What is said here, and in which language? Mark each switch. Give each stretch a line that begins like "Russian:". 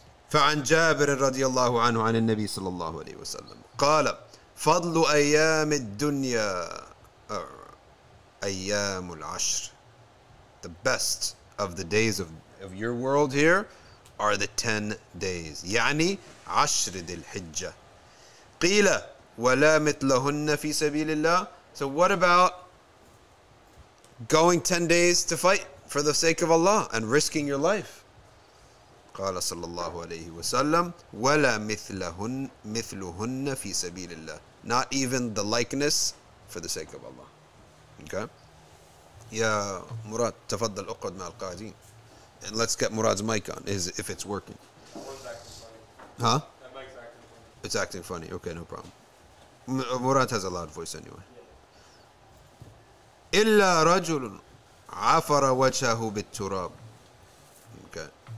Arabic: فَعَنْ جَابِرٍ رَضِيَ اللَّهُ عَنْهُ عَنِ النَّبِي صَلَّى اللَّهُ عَلَيْهِ وَسَلَّمَ قَالَ فَضْلُ أَيَّامِ الدُّنْيَا أَيَّامُ الْعَشْرِ,
English: the best of the days of your world here are the 10 days.
Arabic: يعني عشر ذي الحجة. قيل ولا مثلهن في سبيل الله.
English: So what about going 10 days to fight for the sake of Allah and risking your life?
Arabic: قال صلى الله عليه وسلم ولا مثلهن في سبيل الله.
English: Not even the likeness for the sake of Allah. Okay.
Arabic: يا مراد تفضل اقعد مع القاعدين.
English: And let's get Murad's mic on, if it's working. That mic's acting funny. Huh? That mic's acting funny. It's acting funny. Okay, no problem. Murad has a loud voice anyway.
Arabic: إِلَّا رَجُلٌ عَفَرَ وَجْهَهُ بِالتُّرَابِ. Okay.